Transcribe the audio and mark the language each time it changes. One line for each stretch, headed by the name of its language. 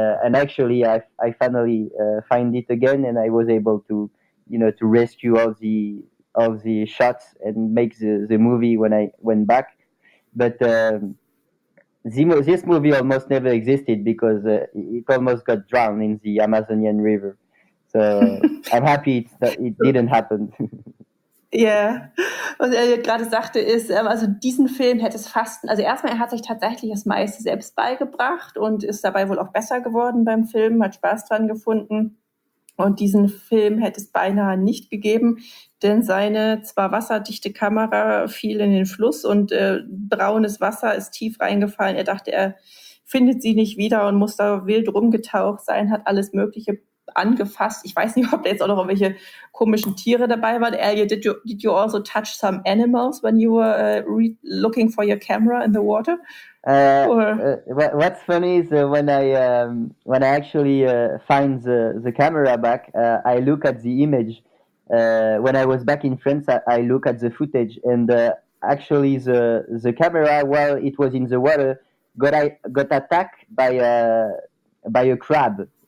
English: And actually I finally find it again, and I was able to, you know, to rescue all the shots and make the movie when I went back. But this movie almost never existed, because it almost got drowned in the Amazonian river. So I'm happy that it didn't happen.
German: Ja, was er gerade sagte, ist, also diesen Film hätte es fast, also erstmal, er hat sich tatsächlich das meiste selbst beigebracht und ist dabei wohl auch besser geworden beim Film, hat Spaß dran gefunden. Und diesen Film hätte es beinahe nicht gegeben, denn seine zwar wasserdichte Kamera fiel in den Fluss und braunes Wasser ist tief reingefallen. Er dachte, er findet sie nicht wieder und muss da wild rumgetaucht sein, hat alles Mögliche angefasst. Ich weiß nicht, ob da jetzt auch noch irgendwelche komischen Tiere dabei waren.
English: Elliot, did you also touch some animals when you were looking for your camera in the water? What's funny is when I actually find the camera back, I look at the image. When I was back in France, I look at the footage, and actually the camera, while it was in the water, got attacked by a crab.